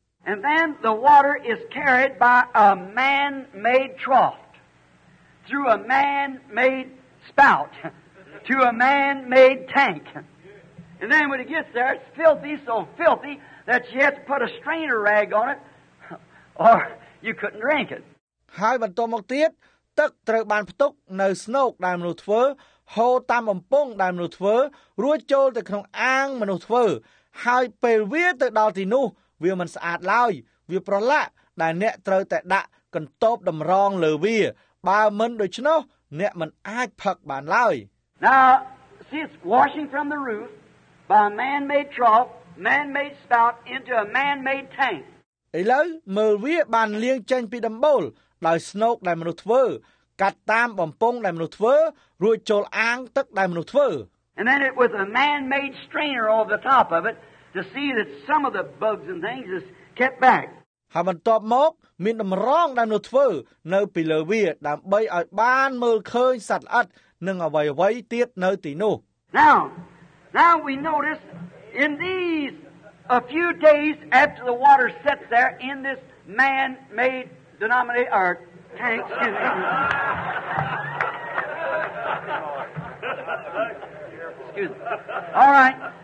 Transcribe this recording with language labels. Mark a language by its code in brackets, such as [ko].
[en] And then the water is carried by a man-made trough through a man-made spout to a man-made tank and then when it gets there it's filthy so filthy that you have to put a strainer rag on it or you couldn't drink it [km] ហើយបន្តមកទៀតទឹកត្រូវបានផ្ទុកនៅស្នូកដែលមនុស្សធ្វើហូរតាមបំពង់ដែលមនុស្សធ្វើរួចចូលទៅក្នុងអាងមនុស្សធ្វើហើយពេលវាទៅដល់ទីនោះវាមិនស្អាតឡើយវាប្រឡាក់ដែលអ្នកត្រូវតែដាក់កន្ទប់តម្រងលើវាបើមិនដូច្នោះអ្នកមិនអាចផឹកបានឡើយ [en] Now see it's washing from the roof by a man-made trough, man-made spout into a man-made tank. [km] ឥឡូវមើលវាបានលាងចេញពីដំបូលដោយស្នូកដែលមនុស្សធ្វើកាត់តាមបំពង់ដែលមនុស្សធ្វើរួចចូលអាងទឹកដែលមនុស្សធ្វើ [en] And then it was a man-made strainer over the top of it to see that some of the bugs and things is kept back. [km] ហើយបន្ទាប់មកមានតម្រងដែលមនុស្សធ្វើនៅពីលើវាដើម្បីឲ្យបានមើលឃើញសត្វល្អិតនិងអ្វីៗទៀតនៅទីនោះ [en] Now we notice in these a few days after the water sets there in this man-made denominate our tank excuse me all right